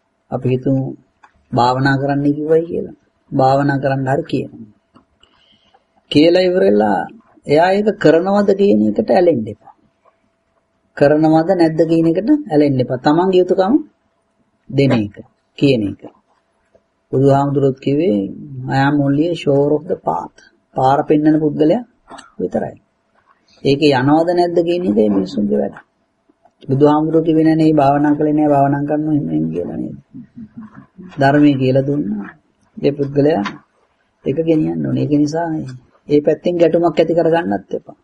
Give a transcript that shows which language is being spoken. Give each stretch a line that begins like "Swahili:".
Sinhala: අපි හිතමු භාවනා කරන්න කිව්වයි කියලා. භාවනා කරන්න හරි කියනවා. කියලා ඉවරලා එයා ඒක කරනවද කියන එකට ඇලෙන්නේ නැහැ. කරනවද නැද්ද කියන එකට ඇලෙන්න එපා. තමන්ගේ යුතුකම දෙන එක කියන එක.
English: බුදුහාමුදුරුවෝ කිව්වේ I am only a shore of the path.
Sinhala: පාර පෙන්නන පුද්ගලයා විතරයි. ඒක යනවද නැද්ද කියන එක මිනිස්සුන්ගේ වැඩ. බුදුහාමුදුරුවෝ කිව්වේ නෑ මේ භාවනා කළේ නෑ භාවනා කරන්න එන්නේ කියලා නේද? ධර්මයේ කියලා දුන්නා. මේ පුද්ගලයා ඒක ගෙනියන්න ඕනේ. ඒක නිසා ඒ පැත්තෙන් ගැටුමක් ඇති කරගන්නත් එපා.